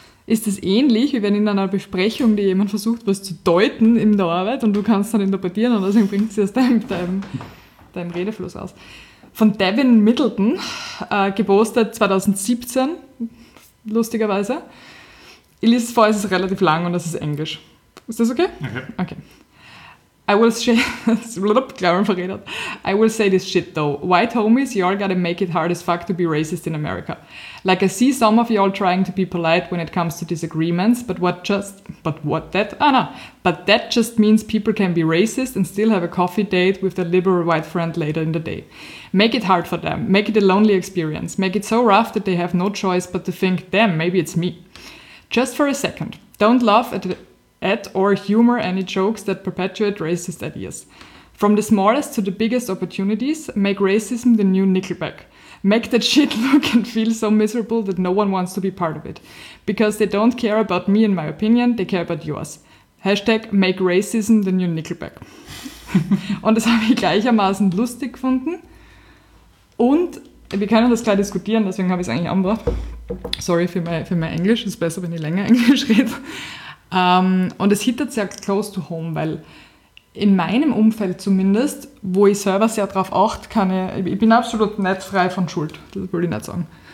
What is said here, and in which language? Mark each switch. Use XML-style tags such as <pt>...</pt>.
<de>Ist es ähnlich, wie wenn in einer Besprechung dir jemand versucht, was zu deuten in der Arbeit und du kannst dann interpretieren und deswegen bringt sie aus deinem Redefluss aus. Von Devin Middleton, gepostet 2017, lustigerweise. Ich lese es vor, es ist relativ lang und es ist Englisch. Ist das okay? Okay. Okay.</de> <en>I will say this shit though. White homies, y'all gotta make it hard as fuck to be racist in America. Like, I see some of y'all trying to be polite when it comes to disagreements, but that just means people can be racist and still have a coffee date with their liberal white friend later in the day. Make it hard for them. Make it a lonely experience. Make it so rough that they have no choice but to think, damn, maybe it's me. Just for a second. Don't laugh at or humor any jokes that perpetuate racist ideas. From the smallest to the biggest opportunities, make racism the new Nickelback. Make that shit look and feel so miserable that no one wants to be part of it. Because they don't care about me and my opinion, they care about yours. Hashtag make racism the new Nickelback.</en> <de>Und das habe ich gleichermaßen lustig gefunden. Und wir können das gleich diskutieren, deswegen habe ich es eigentlich angebracht. Sorry für mein Englisch, es ist besser, wenn ich länger Englisch rede. Und es hittert sehr</de> <en>close to home,</en> <de>weil in meinem Umfeld zumindest, wo ich selber sehr darauf achte, ich bin absolut nicht frei von Schuld, das will ich nicht sagen.</de>